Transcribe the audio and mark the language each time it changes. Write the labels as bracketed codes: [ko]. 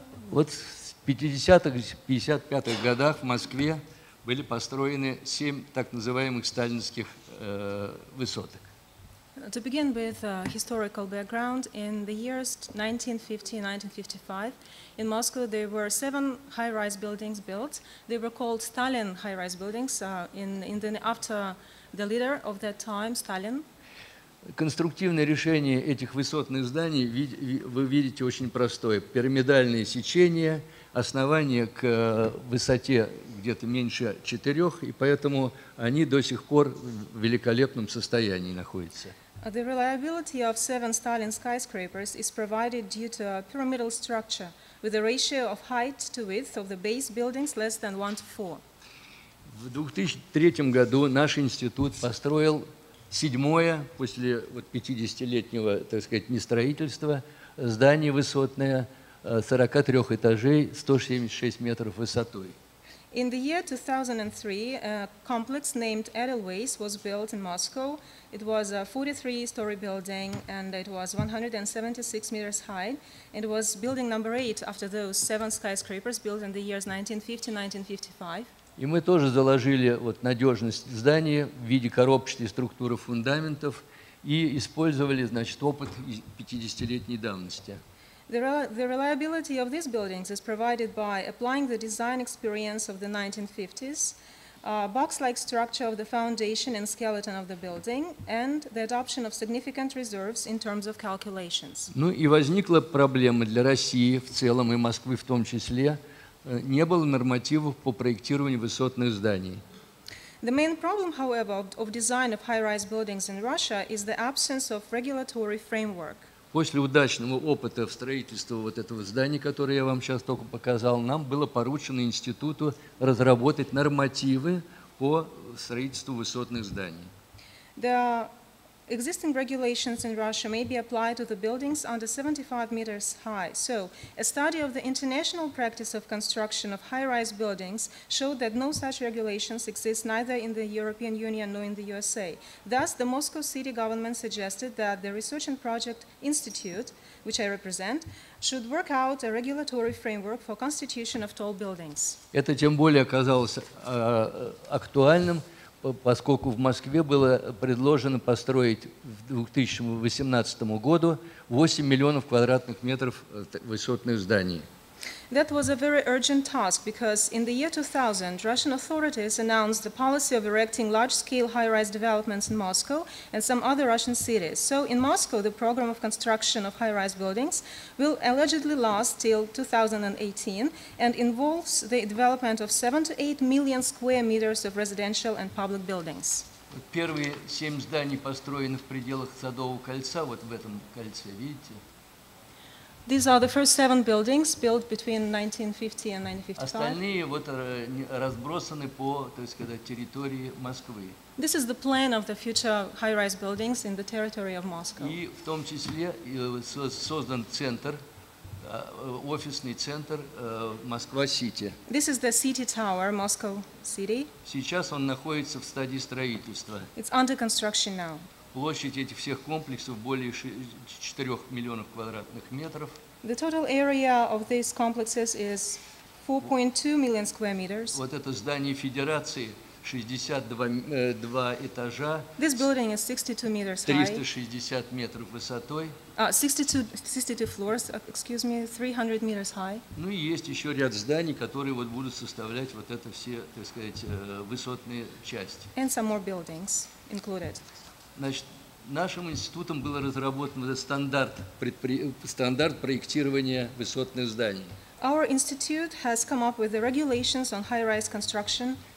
[ru] Вот в 50-х, 55-х годах в Москве были построены 7 так называемых сталинских высоток. [en] To begin with historical background, in the years 1950-1955, in Moscow there were 7 high-rise buildings built. They were called Stalin high-rise buildings after the leader of that time, Stalin. [ru] Конструктивное решение этих высотных зданий вы видите очень простое. Пирамидальные сечения, основание к высоте где-то меньше 4, и поэтому они до сих пор в великолепном состоянии находятся. [en] The reliability of 7 Stalin skyscrapers is provided due to a pyramidal structure with a ratio of height to width of the base buildings less than 1:4. [ru] В 2003 году наш институт построил 7-е после 50-летнего, так сказать, нестроительства здание высотное 43 этажей, 176 метров высотой. [en] In the year 2003, a complex named Edelweiss was built in Moscow. It was a 43-story building, and it was 176 meters high. It was building number 8 after those 7 skyscrapers built in the years 1950-1955. [ru] И мы тоже заложили вот надежность здания в виде коробчатой структуры фундаментов и использовали, значит, опыт 50-летней давности. [en] The reliability of these buildings is provided by applying the design experience of the 1950s, box-like structure of the foundation and skeleton of the building, and the adoption of significant reserves in terms of calculations. [ru] Ну и возникла проблема для России в целом и Москвы в том числе, не было нормативов по проектированию высотных зданий. [en] The main problem, however, of design of high-rise buildings in Russia is the absence of regulatory framework. [ru] После удачного опыта в строительстве вот этого здания, которое я вам сейчас только показал, нам было поручено институту разработать нормативы по строительству высотных зданий. [en] The existing regulations in Russia may be applied to the buildings under 75 meters high. So, a study of the international practice of construction of high-rise buildings showed that no such regulations exist neither in the European Union nor in the USA. Thus, the Moscow City government suggested that the Research and Project Institute, which I represent, should work out a regulatory framework for construction of tall buildings. [ru] Это тем более оказалось актуальным, поскольку в Москве было предложено построить в 2018 году 8 миллионов квадратных метров высотных зданий. [en] That was a very urgent task because in the year 2000 Russian authorities announced the policy of erecting large-scale high-rise developments in Moscow and some other Russian cities. So in Moscow the program of construction of high-rise buildings will allegedly last till 2018 and involves the development of 7 to 8 million square meters of residential and public buildings. [ru] Первые 7 зданий построены в пределах Садового кольца, вот в этом кольце, видите? [en] These are the first 7 buildings built between 1950 and 1955. [ru] Остальные вот разбросаны по, то есть, когда территории Москвы. [en] This is the plan of the future high-rise buildings in the territory of Moscow. [ru] И в том числе создан центр офисный центр Москва-Сити. [en] This is the city tower, Moscow City. [ru] Сейчас он находится в стадии строительства. [en] It's under construction now. [ru] Площадь этих всех комплексов более 4 миллионов квадратных метров. [en] The total area of these complexes is 4.2 million square meters. [ru] Вот это здание Федерации, 62 этажа. [en] This building is 62 meters high. [ru] 360 метров высотой. [en] 62 floors, excuse me, 300 meters high. [ru] Ну и есть еще ряд зданий, которые вот будут составлять вот это все, так сказать, высотные части. [en] And some more buildings included. [ru] Значит, нашим институтом был разработан стандарт проектирования высотных зданий. [en] Our institute has come up with the regulations on high-rise construction.